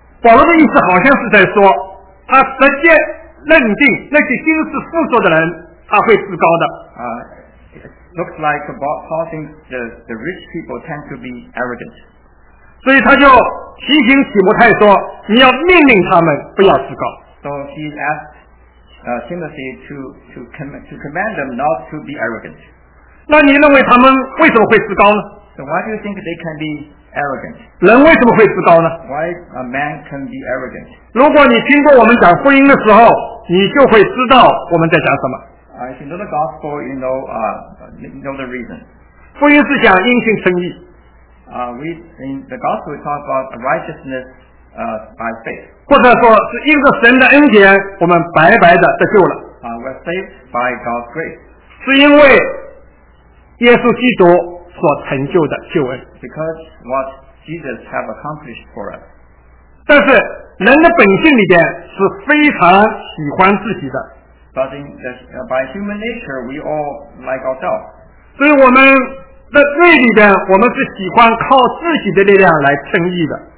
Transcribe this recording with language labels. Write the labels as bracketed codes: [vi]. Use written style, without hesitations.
[zh] 保罗的意思好像是在说。他直接认定那些心思富足的人他会自高的。 [en] It looks like Paul thinks the rich people tend to be arrogant. [zh] 所以他就提醒提摩太说你要命令他们不要自高。 [en] So he asked Timothy to command them not to be arrogant. [zh] 那你认为他们为什么会自高呢？ [en] So why do you think they can be arrogant? [zh] 人为什么会自高呢？ [en] Why a man can be arrogant? [zh] 如果你听过我们讲福音的时候，你就会知道我们在讲什么。 [en] If you know the gospel, you know the reason. [zh] 福音是讲因信称义。 [en] In the gospel, we talk about righteousness by faith. [zh] 或者说是因着神的恩典，我们白白的得救了。 [en] We're saved by God's grace. [zh] 是因为耶稣基督所成就的救恩。 [en] Because what Jesus has accomplished for us. [zh] 但是人的本性里边是非常喜欢自己的。 [en] But by human nature, we all like ourselves. [zh] 所以我们的罪里边，我们是喜欢靠自己的力量来称义的。